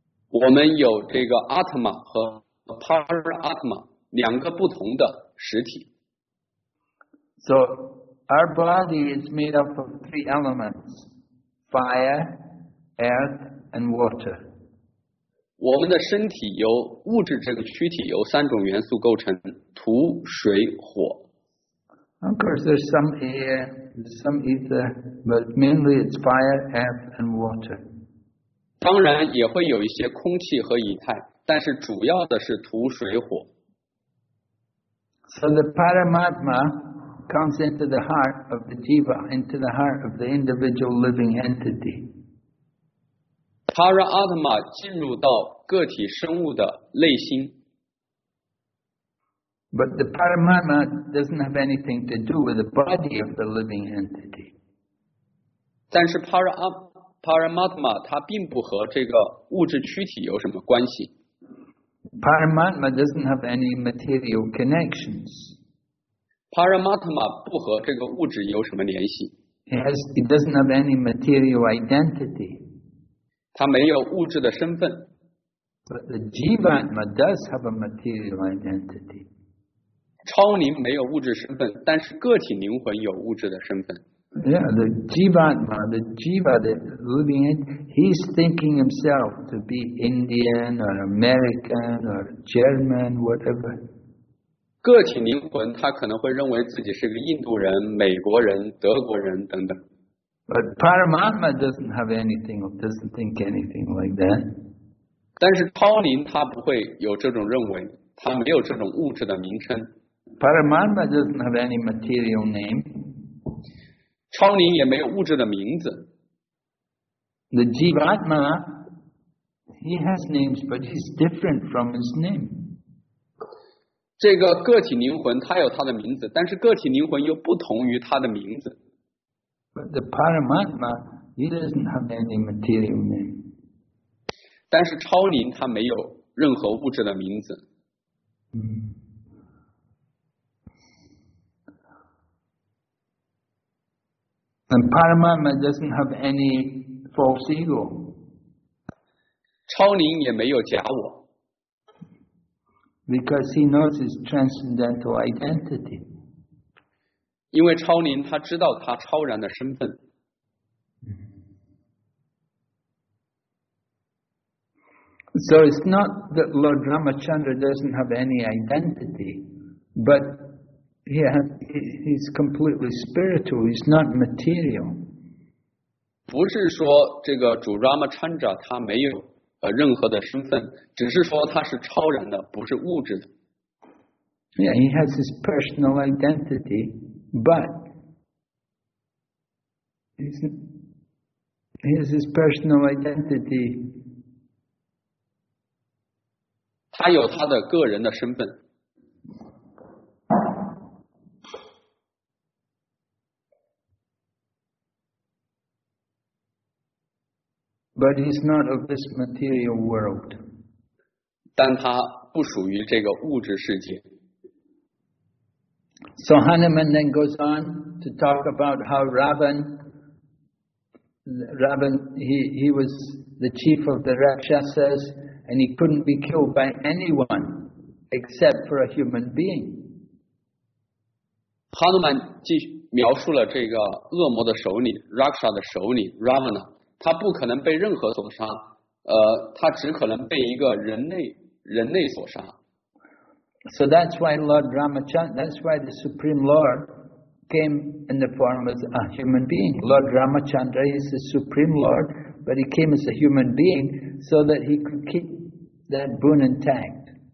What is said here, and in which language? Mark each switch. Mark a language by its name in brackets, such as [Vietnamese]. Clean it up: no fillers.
[Chinese] 我们有这个 Atma 和 Paramatma 两个不同的实体。 [English] So our body is made up of three elements: fire, earth, and water. [Chinese] 我们的身体由物质这个躯体由三种元素构成：土、水、火。 [English] Of course, there's some air, some ether, but mainly it's fire, earth, and water. [Chinese] 当然也会有一些空气和以太，但是主要的是土、水、火。 [English] So the Paramatma comes into the heart of the jiva, into the heart of the individual living entity. [Chinese] Paramatma 进入到个体生物的内心。 [English] But the Paramatma doesn't have anything to do with the body of the living entity. [Chinese] 但是 Paramatma 它并不和这个物质躯体有什么关系。 [English] Paramatma doesn't have any material connections. [Chinese] Paramatma 不和这个物质有什么联系。 [English] It doesn't have any material identity. [Chinese] 它没有物质的身份。 [English] But the Jivatma does have a material identity. [Chinese] 超灵没有物质身份，但是个体灵魂有物质的身份。 [English] Yeah, the Jivatma, the Jiva, the living entity, he's thinking himself to be Indian or American or German, whatever. [Chinese] 个体灵魂他可能会认为自己是个印度人、美国人、德国人等等。 [English] But Paramatma doesn't have anything or doesn't think anything like that. [Chinese] 但是超灵他不会有这种认为，他没有这种物质的名称。 [English] Paramatma doesn't have any material name. [Chinese] 超灵也没有物质的名字。 [English] The Jivatma, he has names, but he's different from his name. [Chinese] 这个个体灵魂他有他的名字，但是个体灵魂又不同于他的名字。 [English] But the Paramatma, he doesn't have any material name. [Chinese] 但是超灵他没有任何物质的名字。 [English] And Paramatma doesn't have any false ego. [Chinese] 超灵也没有假我。 [English] Because he knows his transcendental identity. [Chinese] 因为超灵他知道他超然的身份。 [English] So it's not that Lord Ramachandra doesn't have any identity, but Yeah, he's completely spiritual. He's not material. [Chinese] 不是说这个主 Ramachandra 他没有任何的身份，只是说他是超然的，不是物质的。 [English] Yeah, he has his personal identity, but he has his personal identity. [Chinese] 他有他的个人的身份。 [English] But he's not of this material world. [Chinese] 但他不属于这个物质世界。 [English] So Hanuman then goes on to talk about how Ravan, he was the chief of the Rakshasas, and he couldn't be killed by anyone except for a human being. [Chinese] Hanuman 继续描述了这个恶魔的首领 Raksha 的首领 Ravana。他不可能被任何所杀，他只可能被一个人类所杀。 [English] So that's why Lord Ramachandra, that's why the Supreme Lord came in the form as a human being. Lord Ramachandra is the Supreme Lord, but he came as a human being so that he could keep that boon intact.